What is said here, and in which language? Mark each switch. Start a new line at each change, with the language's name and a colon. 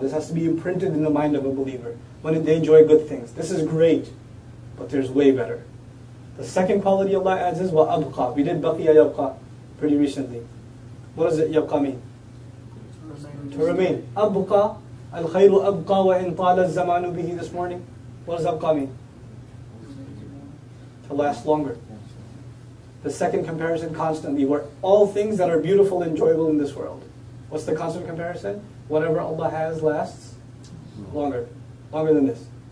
English: This has to be imprinted in the mind of a believer. When they enjoy good things. This is great, but there's way better. The second quality Allah adds is وَأَبْقَى. We did
Arabic: بَقِيَ يَبْقَى
English: pretty recently. What does it يَبْقَى mean? To remain. أَبْقَى,
Arabic: الخير أبقى وإن طال الزمان به.
English: This morning, what does أبقى mean? To last longer. The second comparison constantly, where all things that are beautiful, enjoyable in this world. What's the constant comparison? Whatever Allah has lasts longer. Longer than this.